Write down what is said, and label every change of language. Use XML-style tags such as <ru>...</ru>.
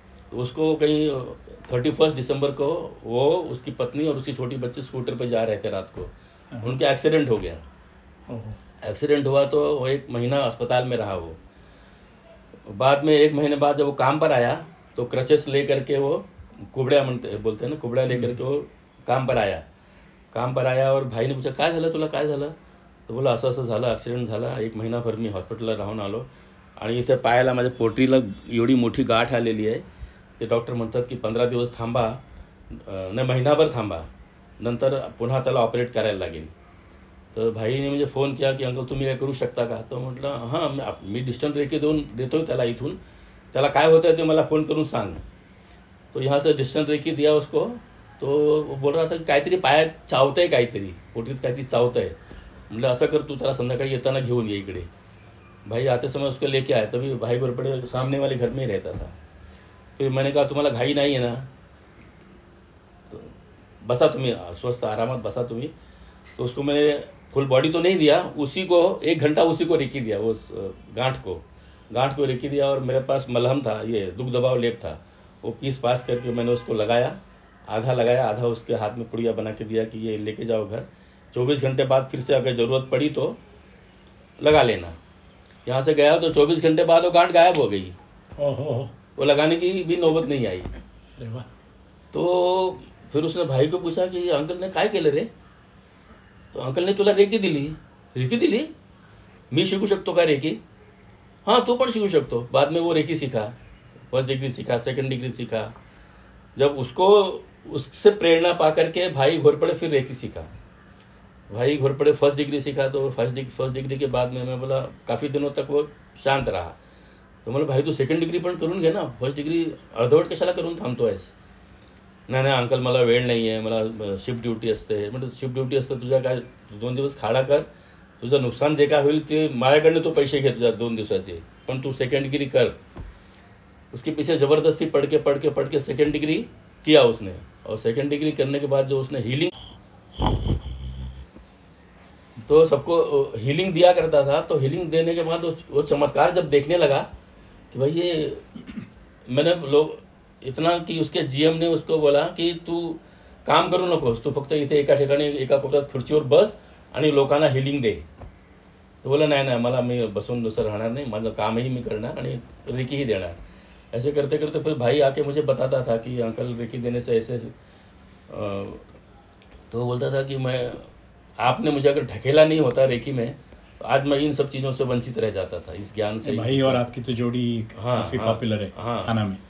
<hi>तो उसको कहीं 31 दिसंबर को वो उसकी पत्नी और उसकी छोटी बच्ची स्कूटर पर जा रहे थे रात को, उनके एक्सीडेंट हो गया। एक्सीडेंट हुआ तो वो एक महीना अस्पताल में रहा वो। बाद में एक महीने बाद जब वो काम पर आया तो क्रचेस लेकर के वो कुबड़ा बोलते हैं ना, कुबड़ा लेकर के वो काम पर आया। काम पर आया और भाई ने पूछा</hi> <mr>काय झालं तुला, काय झालं? तो बोला असं असं झालं, ऍक्सिडेंट झाला, एक महिनाभर मी हॉस्पिटलला राहून आलो आणि इथे पायाला माझ्या पोटरीला एवढी मोठी गाठ आलेली आहे की डॉक्टर म्हणतात की 15 दिवस थांबा, नाही महिनाभर थांबा, नंतर पुन्हा त्याला ऑपरेट करायला लागेल। तर भाईने म्हणजे फोन किया की अंकल तुम्ही काय करू शकता का? तो म्हटलं हां मी डिस्टन्स रेकी देऊन देतोय त्याला, इथून त्याला काय होतंय ते मला फोन करून सांग।</mr> <hi>तो यहां से डिस्टन्स रेकी दिया उसको, तो बोल रहा था की</hi> <mr>काहीतरी पायात चावतंय, काहीतरी पोटरीत काहीतरी चावतंय। म्हटलं असं कर तू, त्याला संध्याकाळी येताना घेऊन ये इकडे।</mr> <hi>भाई आते समय उसको लेके आया, तभी भाई घोरपड़े सामने वाले घर में ही रहता था। फिर मैंने कहा</hi> <mr>तुम्हाला घाई नाही आहे ना, तो बसा तुम्ही स्वस्थ आरामात बसा तुम्ही।</mr> <hi>तो उसको मैंने फुल बॉडी तो नहीं दिया, उसी को एक घंटा उसी को रेकी दिया, उस गांठ को रेकी दिया। और मेरे पास मलहम था, ये दुख दबाव लेप था, वो पीस पास करके मैंने उसको लगाया, आधा लगाया आधा उसके हाथ में पुड़िया बना के दिया कि ये लेके जाओ घर, 24 घंटे बाद फिर से अगर जरूरत पड़ी तो लगा लेना। यहाँ से गया तो 24 घंटे बाद वो गांठ गायब हो गई, वो लगाने की भी नौबत नहीं आई। तो फिर उसने भाई को पूछा कि अंकल ने</hi> <mr>काय केलं रे? तो अंकल ने तुला रेकी दिली। रेकी दिली? मी शिकू शकतो का रेकी? हाँ तू पण शिकू शकतो।</mr> <hi>बाद में वो रेकी सीखा, फर्स्ट डिग्री सीखा, सेकंड डिग्री सीखा। जब उसको उससे प्रेरणा पा करके भाई घोरपड़े फिर रेकी सीखा। भाई घोरपड़े फर्स्ट डिग्री सीखा, तो फर्स्ट डिग्री के बाद में मैं बोला काफ़ी दिनों तक वो शांत रहा।</hi> <mr>तो बोला भाई तू सेकंड डिग्री पण करून घे ना, फर्स्ट डिग्री अर्धवट कशाला करून थांबतो आहेस? नाही नाही अंकल मला वेळ नाही आहे, मला शिफ्ट ड्युटी असते। म्हणजे शिफ्ट ड्युटी असते तुझ्या काय, 2 दिवस खाडा कर, तुझं नुकसान जे काय होईल ते माझ्याकडनं तू पैसे घे तुझ्या 2 दिवसाचे, पण तू सेकंड डिग्री कर।</mr> <hi>उसके पीछे जबरदस्ती पडके सेकंड डिग्री किया उसने, और सेकंड डिग्री करने के बाद जो उसने हीलिंग, तो सबको हीलिंग दिया करता था। तो हीलिंग देने के बाद वो चमत्कार जब देखने लगा कि भाई ये मैंने लोग इतना कि उसके जीएम ने उसको बोला कि</hi> <mr>तू काम करू नको, तू फक्त इथे एका ठिकाणी एका कोपऱ्यात खुर्चीवर बस आणि लोकांना हिलिंग दे. तो बोला नाही नाही मला, मी बसून दुसरं राहणार नाही, माझं कामही मी करणार आणि रिकीही देणार.</mr> <hi>ऐसे करते करते फिर भाई आके मुझे बताता था कि अंकल रिकी देने से ऐसे, तो बोलता था कि मैं, आपने मुझे अगर ढकेला नहीं होता रेकी में, आज मैं इन सब चीजों से वंचित रह जाता था, इस ज्ञान से. भाई और आपकी तो जोड़ी काफी पॉपुलर है थाना में.</hi>